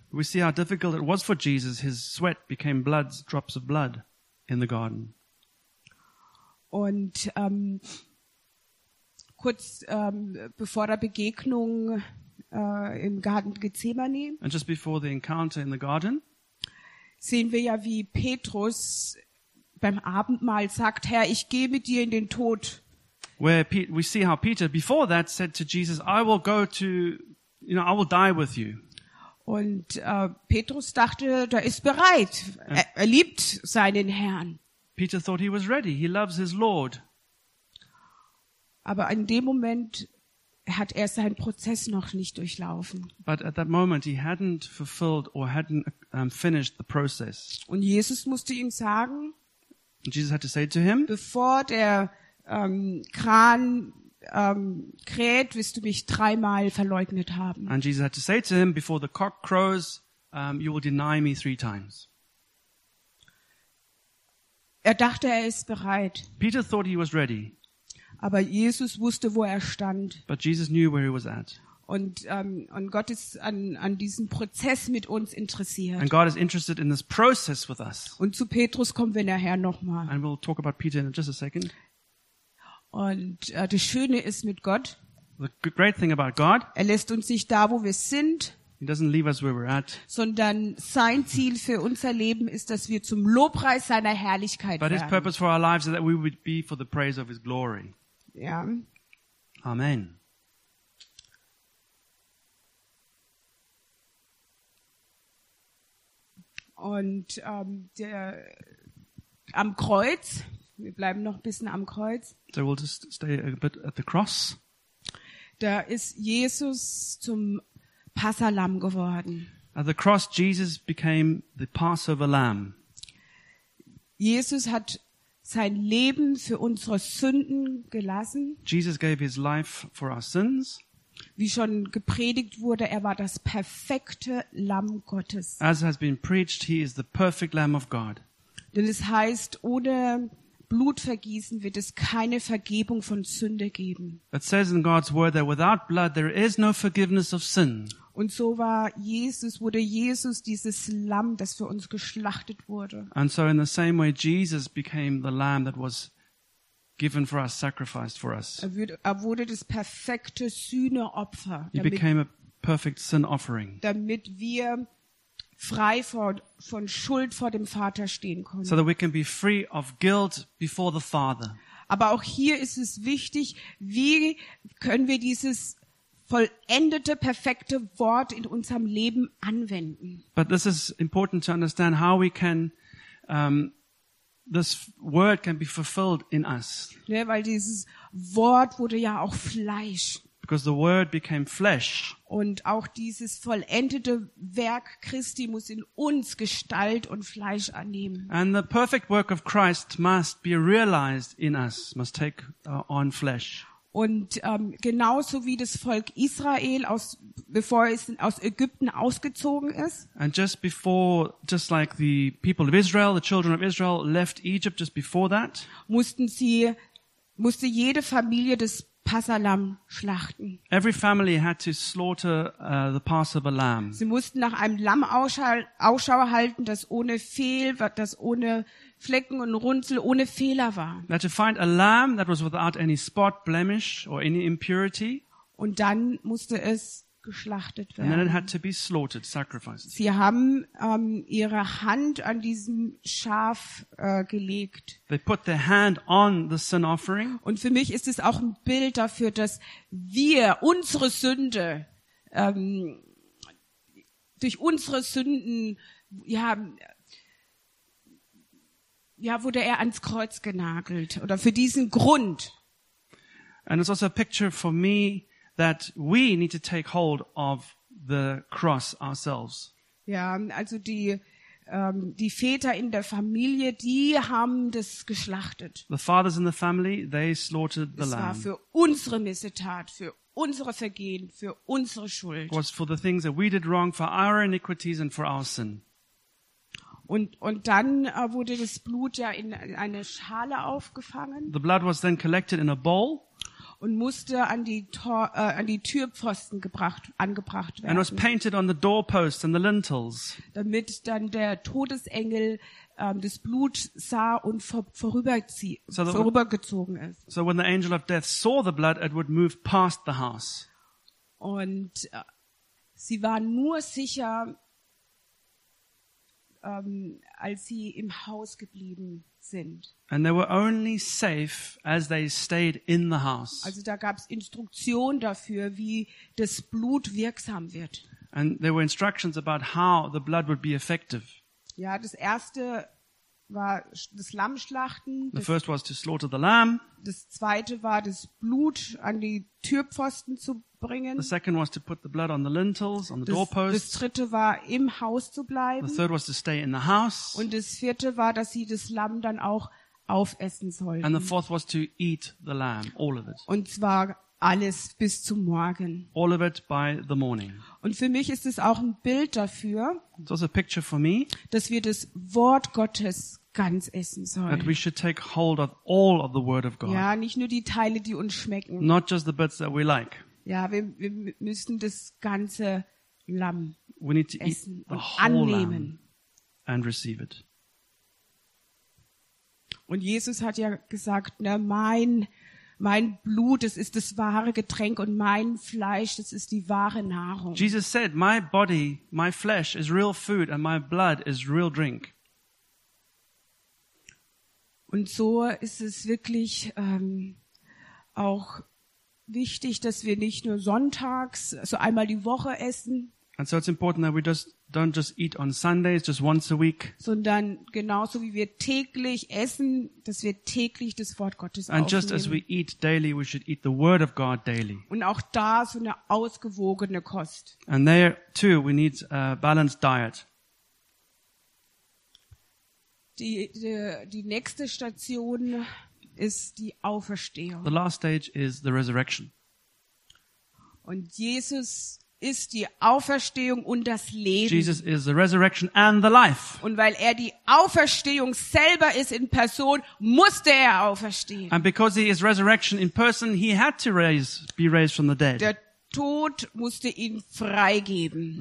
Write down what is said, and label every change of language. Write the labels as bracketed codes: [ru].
[en] We see how difficult it was for Jesus. His sweat became blood, drops of blood in the garden. [de] Und kurz bevor der Begegnung im Garten Gethsemane. [en] And just before the encounter in the garden. [de] Sehen wir ja, wie Petrus beim Abendmahl sagt, Herr, ich gehe mit dir in den Tod. [en] Where we see how Peter before that said to Jesus, I will go to, you know, I will die with you. [de] Und Petrus dachte, der ist bereit. Er liebt seinen Herrn. [en] Peter thought he was ready. He loves his Lord. [de] Aber in dem Moment hat er seinen Prozess noch nicht durchlaufen. [en] But at that moment he hadn't fulfilled or hadn't finished the process. [de] Und Jesus musste ihm sagen, [en] Jesus had to say to him, [de] bevor der Kran kräht, wirst du mich dreimal verleugnet haben. [en] And Jesus had to say to him, before the cock crows, you will deny me three times. [de] Er dachte, er ist bereit. [en] Peter thought he was ready. [de] Aber Jesus wusste, wo er stand. [en] But Jesus knew where he was at. [de] Und Gott ist an diesem Prozess mit uns interessiert. [en] And God is interested in this process with us. [de] Und zu Petrus kommen wir nachher nochmal. [en] And we'll talk about Peter in just a second. [de] Und das Schöne ist mit Gott. [en] The great thing about God. [de] Er lässt uns nicht da, wo wir sind. [en] He doesn't leave us where we're at. [de] Sondern sein Ziel für unser Leben ist, dass wir zum Lobpreis seiner Herrlichkeit [en] But [de] werden. [en] But his purpose for our lives is that we would be for the praise of his glory. [de] Ja. [en] Amen. [de] Und am Kreuz, wir bleiben noch ein bisschen am Kreuz. [en] So we'll just stay a bit at the cross. [de] Da ist Jesus zum Passahlamm geworden. [en] At the cross, Jesus became the Passover Lamb. [de] Jesus hat sein Leben für unsere Sünden gelassen. [en] Jesus gave his life for our sins. [de] Wie schon gepredigt wurde, er war das perfekte Lamm Gottes. [en] As has been preached, he is the perfect Lamb of God. [de] Denn es heißt, ohne Blutvergießen wird es keine Vergebung von Sünde geben. [en] It says in God's word that without blood there is no forgiveness of sin. [de] Und so war Jesus, wurde Jesus dieses Lamm, das für uns geschlachtet wurde. [en] And so in the same way Jesus became the Lamb that was given for us, sacrificed for us. [de] Er wurde das perfekte Sühneopfer. [en] He became a perfect sin offering. [de] Damit wir frei von Schuld vor dem Vater stehen können. [en] So that we can be free of guilt before the Father. [de] Aber auch hier ist es wichtig, wie können wir dieses vollendete, perfekte Wort in unserem Leben anwenden? [en] But this is important to understand how we can this word can be fulfilled in us. [de] Ja, weil dieses Wort wurde ja auch Fleisch. [en] Because the word became flesh. [de] Und auch dieses vollendete Werk Christi muss in uns Gestalt und Fleisch annehmen. [en] And the perfect work of Christ must be realized in us, must take on flesh. [de] Und genauso wie das Volk Israel bevor es aus Ägypten ausgezogen ist. [en] And just like the people of Israel, the children of Israel left Egypt just before that. [de] Musste jede Familie das Passahlamm schlachten. [en] Every family had to slaughter the Passover lamb. [de] Sie mussten nach einem Lamm Ausschau halten, das ohne Fehl, das ohne Flecken und Runzel, ohne Fehler war. [en] They had to find a lamb that was without any spot, blemish or any impurity. [de] Und dann musste es geschlachtet werden. [en] And then it had to be slaughtered, sacrificed. [de] Sie haben ihre Hand an diesem Schaf gelegt. [en] They put their hand on the sin offering. [de] Und für mich ist es auch ein Bild dafür, dass wir unsere Sünde durch unsere Sünden wurde er ans Kreuz genagelt oder für diesen Grund. [en] And it's also a picture for me that we need to take hold of the cross ourselves. [de] Ja, also die Väter in der Familie, die haben das geschlachtet. [en] The fathers in the family, they slaughtered the lamb. [de] Es war für unsere Missetat, für unsere Vergehen, für unsere Schuld. [en] It was for the things that we did wrong, for our iniquities and for our sin. [de] Und dann wurde das Blut ja in eine Schale aufgefangen. [en] The blood was then collected in a bowl. [de] Und musste an die Türpfosten angebracht werden. [en] And was painted on the doorposts and the lintels. [de] Damit dann der Todesengel das Blut sah und vorübergezogen ist. [en] So when the angel of death saw the blood, it would move past the house. [de] Und sie waren nur sicher, als sie im Haus geblieben sind. [en] And they were only safe as they stayed in the house. [de] Also da gab's Instruktionen dafür, wie das Blut wirksam wird. [en] And there were instructions about how the blood would be effective. [de] Ja, das erste war das Lammschlachten. [en] The first was to slaughter the lamb. [de] Das zweite war das Blut an die Türpfosten zu bringen. [en] The second was to put the blood on the lintels, on the doorposts. [de] Das dritte war im Haus zu bleiben. [en] The third was to stay in the house. [de] Und das vierte war, dass sie das Lamm dann auch aufessen sollten. [en] And the fourth was to eat the lamb, all of it. [de] Und zwar alles bis zum Morgen. [en] All of it by the morning. [de] Und für mich ist es auch ein Bild dafür, [en] it's also a picture for me, [de] dass wir das Wort Gottes ganz essen sollen. [en] That we should take hold of all of the word of God. [de] Ja, nicht nur die Teile, die uns schmecken. [en] Not just the bits that we like. [de] Ja, wir müssen das ganze Lamm [en] we need to [de] essen [en] eat the [de] und [en] whole [de] annehmen. [en] Lamb and receive it. [de] Und Jesus hat ja gesagt, ne, mein Mein Blut, das ist das wahre Getränk und mein Fleisch, das ist die wahre Nahrung. [en] Jesus said, my body, my flesh is real food and my blood is real drink. [de] Und so ist es wirklich auch wichtig, dass wir nicht nur sonntags, also einmal die Woche essen. [en] And so it's important that we just don't just eat on Sundays, just once a week. [de] Sondern genauso wie wir täglich essen, dass wir täglich das Wort Gottes aufnehmen. [en] And just as we eat daily, we should eat the Word of God daily. [de] Und auch da so eine ausgewogene Kost. [en] And there too, we need a balanced diet. [de] Die nächste Station ist die Auferstehung. [en] The last stage is the resurrection. [de] Und Jesus ist die Auferstehung und das Leben. [en] Jesus is the resurrection and the life. [de] Und weil er die Auferstehung selber ist in Person, musste er auferstehen. [en] And because he is resurrection in person, he had to be raised from the dead. [de] Der Tod musste ihn freigeben.